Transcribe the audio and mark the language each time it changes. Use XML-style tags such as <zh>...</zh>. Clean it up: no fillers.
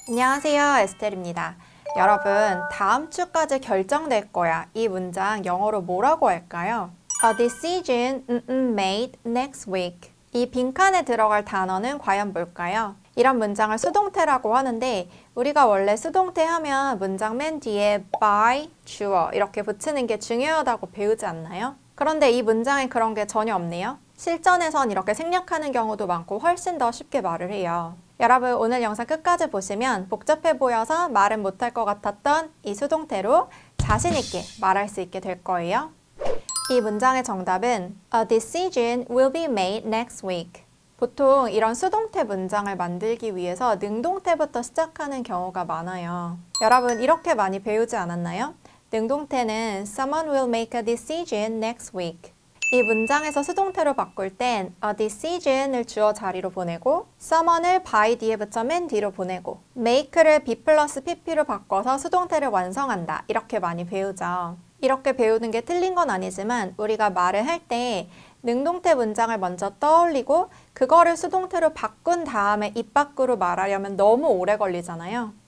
<ko>안녕하세요, 에스텔입니다. 여러분, 다음 주까지 결정될 거야. 이 문장 영어로 뭐라고 할까요?</ko> <en>A decision made next week.</en> <ko>이 빈칸에 들어갈 단어는 과연 뭘까요? 이런 문장을 수동태라고 하는데, 우리가 원래 수동태 하면 문장 맨 뒤에 by 주어 이렇게 붙이는 게 중요하다고 배우지 않나요? 그런데 이 문장에 그런 게 전혀 없네요. 실전에선 이렇게 생략하는 경우도 많고 훨씬 더 쉽게 말을 해요. 여러분, 오늘 영상 끝까지 보시면 복잡해 보여서 말은 못할 것 같았던 이 수동태로 자신 있게 말할 수 있게 될 거예요. 이 문장의 정답은</ko> <en>A decision will be made next week.</en> <ko>보통 이런 수동태 문장을 만들기 위해서 능동태부터 시작하는 경우가 많아요. 여러분, 이렇게 많이 배우지 않았나요? 능동태는</ko> <en>someone will make a decision next week.</en> <ko>이 문장에서 수동태로 바꿀 땐 a decision을 주어 자리로 보내고 someone을 by 뒤에 붙여 맨 뒤로 보내고 make를 be 플러스 pp로 바꿔서 수동태를 완성한다. 이렇게 많이 배우죠. 이렇게 배우는 게 틀린 건 아니지만 우리가 말을 할때 능동태 문장을 먼저 떠올리고 그거를 수동태로 바꾼 다음에 입 밖으로 말하려면 너무 오래 걸리잖아요.</ko>